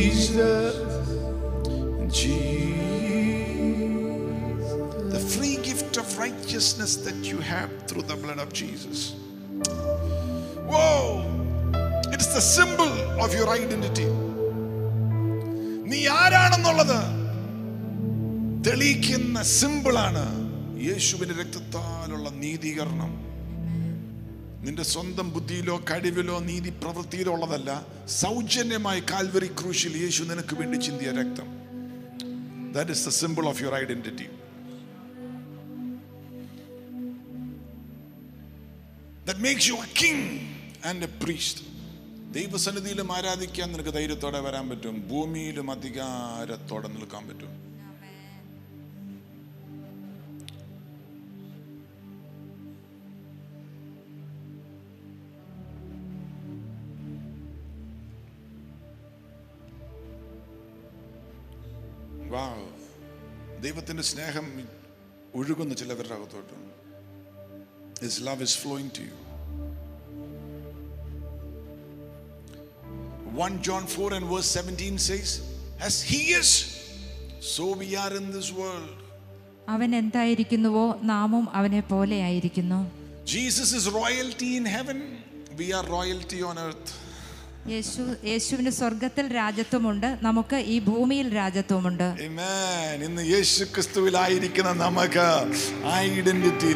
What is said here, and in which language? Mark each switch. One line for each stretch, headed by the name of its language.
English: The free gift of righteousness that you have through the blood of Jesus. Whoa! It's the symbol of your identity.
Malayalam: Ni ara ആരാണെന്നുള്ളത് തെളിയിക്കുന്ന സിമ്പിളാണ്. യേശുവിന്റെ രക്തത്താലുള്ള നീതീകരണം നിന്റെ സ്വന്തം ബുദ്ധിയിലോ കഴിവിലോ നീതി പ്രവൃത്തിയിലോ ഉള്ളതല്ല, സൗജന്യമായി കാൽവറി ക്രൂശിൽ യേശു നിനക്ക് വേണ്ടി ചിന്തിയ രക്തം.
English: That is the symbol of your identity. That makes you a king and a priest.
Malayalam: ദൈവസന്നിധിയിലും ആരാധിക്കാൻ നിനക്ക് ധൈര്യത്തോടെ വരാൻ പറ്റും, ഭൂമിയിലും അധികാരത്തോടെ നിൽക്കാൻ പറ്റും. ദൈവത്തിന്റെ സ്നേഹം ഒഴുകുന്നു ചിലവരുടെ അകത്തോട്ട്.
English: His love is flowing to you. 1 John 4 and verse 17 says, as he is, so we are in this world.
Malayalam: അവൻ എന്തായിരിക്കുന്നുവോ നാമും അവനെ പോലെ ആയിരിക്കുന്നു.
English: Jesus is royalty in heaven, we are royalty on earth.
Malayalam: യേശുവിന് സ്വർഗത്തിൽ രാജ്യത്വമുണ്ട്, നമുക്ക് ഈ ഭൂമിയിൽ രാജ്യത്വമുണ്ട്. ഇന്ന് യേശു ക്രിസ്തുവിൽ ആയിരിക്കുന്ന നമുക്ക് ഐഡന്റിറ്റി.